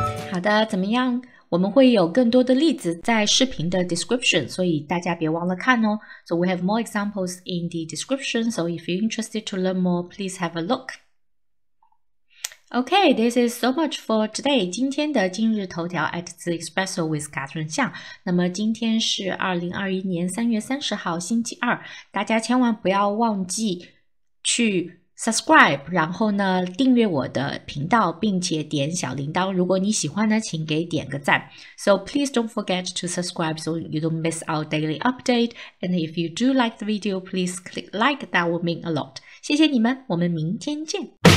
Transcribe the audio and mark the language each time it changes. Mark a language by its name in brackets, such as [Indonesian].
[Chinese] 好的，怎么样？我们会有更多的例子在视频的 description， 所以大家别忘了看哦。 [English] So we have more examples in the description. So if you're interested to learn more, please have a look. Okay, this is so much for today. [Chinese] 今天的今日头条 [English] at the espresso with Catherine Xiang. [Chinese] 那么今天是2021年3月30号星期二，大家千万不要忘记去subscribe， 然后呢订阅我的频道，并且点小铃铛。如果你喜欢呢，请给点个赞。 [English] So please don't forget to subscribe so you don't miss our daily update. And if you do like the video, please click like. That will mean a lot. [Chinese] 谢谢你们，我们明天见。